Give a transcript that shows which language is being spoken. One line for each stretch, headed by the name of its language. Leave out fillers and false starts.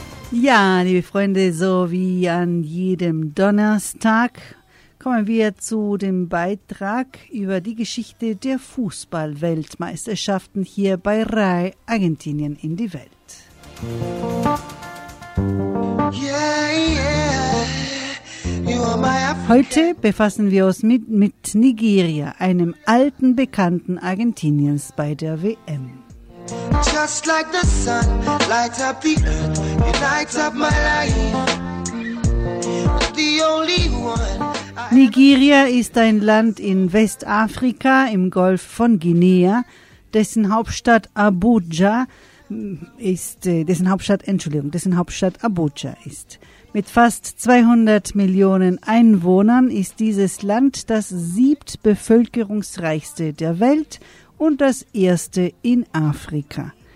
German: Ja, liebe Freunde, so wie an jedem Donnerstag kommen wir zu dem Beitrag über die Geschichte der Fußball-Weltmeisterschaften hier bei RAI Argentinien in die Welt.
English: Yeah, yeah. You are my African.
German: Heute befassen wir uns mit Nigeria, einem alten Bekannten Argentiniens bei der WM.
English: Just like the sun lights up the earth, it lights up my life. The only one.
German: Nigeria ist ein Land in Westafrika im Golf von Guinea, dessen Hauptstadt Abuja ist. Mit fast 200 Millionen Einwohnern ist dieses Land das siebtbevölkerungsreichste der Welt und das erste in Afrika.